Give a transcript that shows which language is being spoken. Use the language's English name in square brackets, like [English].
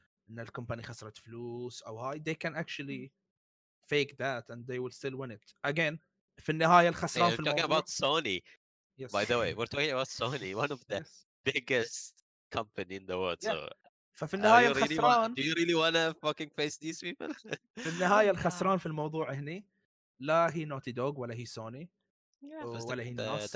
[Arabic] إن الكمباني خسرت فلوس أو هاي [English] they can actually fake that and they will still win it again [Arabic] في النهاية الخسران [English] hey, [Arabic] في [English] talking [Arabic] الموضوع. [English] About Sony by the way we're talking about Sony one of the biggest company in the world [Arabic] ففي النهاية الخسران [English] do you really wanna fucking face these people [Arabic] في النهاية الخسران في الموضوع هني لا هي Naughty Dog ولا هي Sony ولا هي الناس